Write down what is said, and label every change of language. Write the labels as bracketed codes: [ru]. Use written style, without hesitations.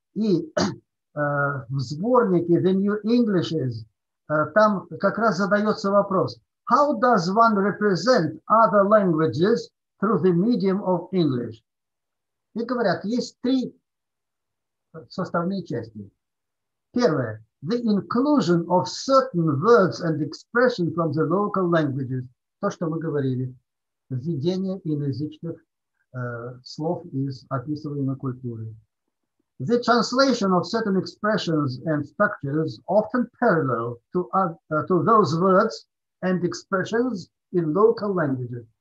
[ru] И в сборнике [en] The New English is, [ru] там как раз задается вопрос: [en] how does one represent other languages through the medium of English? [ru] И говорят, есть три составные части. Первое. [en] The inclusion of certain words and expressions from the local languages. [ru] То, что мы говорили. Введение иноязычных слов из описываемой культуры. [en] The translation of certain expressions and structures often parallel to those words and expressions in local languages.